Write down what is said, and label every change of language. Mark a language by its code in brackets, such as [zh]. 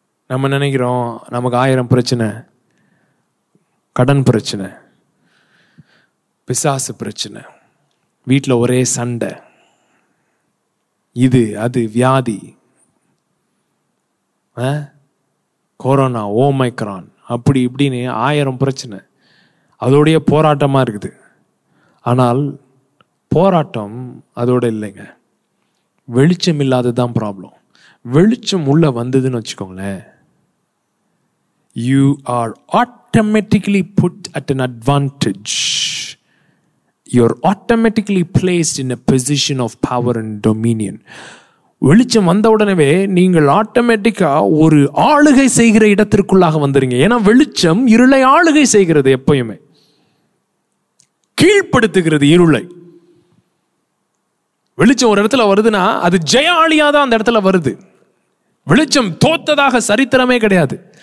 [ta] நம்ம நினைக்கிறோம் நமக்கு 1000 பிரச்சனை, கடன் பிரச்சனை, பிசாசு பிரச்சனை, வீட்டில் ஒரே சண்டை, இது அது வியாதி, கொரோனா, ஓமைக்ரான், அப்படி இப்படின்னு 1000 பிரச்சனை, அதோடைய போராட்டமாக இருக்குது. ஆனால் போராட்டம் அதோட இல்லைங்க, வெளிச்சம் இல்லாதது தான் ப்ராப்ளம். வெளிச்சம் உள்ளே வந்ததுன்னு வச்சுக்கோங்களேன், [en] You are automatically put at an advantage. you're automatically placed in a position of power and dominion. [ta] வெளிச்சம் வந்த உடனே நீங்கள் ஆட்டோமேட்டிக்கா ஒரு ஆளுகை செய்கிற இடத்திற்குள்ளாக வந்துருங்க. ஏன்னா வெளிச்சம் இருளை ஆளுகை செய்கிறது, எப்பயுமே கீழ்ப்படுத்துகிறது இருளை. வெளிச்சம் ஒரு இடத்துல வருதுன்னா அது ஜெயாளியா தான் அந்த இடத்துல வருது. வெளிச்சம் தோத்ததாக சரித்திரமே கிடையாது.